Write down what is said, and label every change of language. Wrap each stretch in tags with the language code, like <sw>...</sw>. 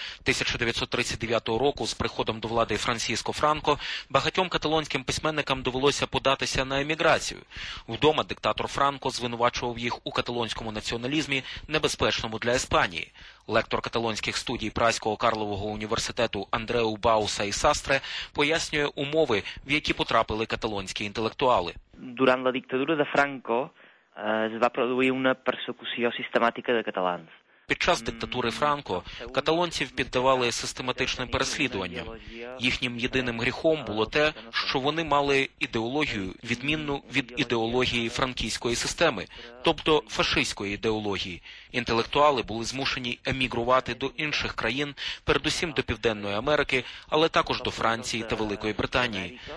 <uk>1939 року з приходом до влади Франциско Франко багатьом каталонським письменникам довелося податися на еміграцію. Вдома диктатор Франко звинувачував їх у каталонському націоналізмі, небезпечному для Іспанії. Лектор каталонських студій Праського Карлового університету Андреу Бауса і Састре пояснює умови, в які потрапили каталонські інтелектуали.</uk> <ca>Durant la dictadura de Franco es va produir una persecució sistemàtica de catalans.</ca> <uk>Під час диктатури Франко каталонців піддавали систематичним переслідуванням. Їхнім єдиним гріхом було те, що вони мали ідеологію, відмінну від ідеології франкійської системи, тобто фашистської ідеології. Інтелектуали були змушені емігрувати до інших країн, передусім до Південної Америки, але також до Франції та Великої Британії.</uk>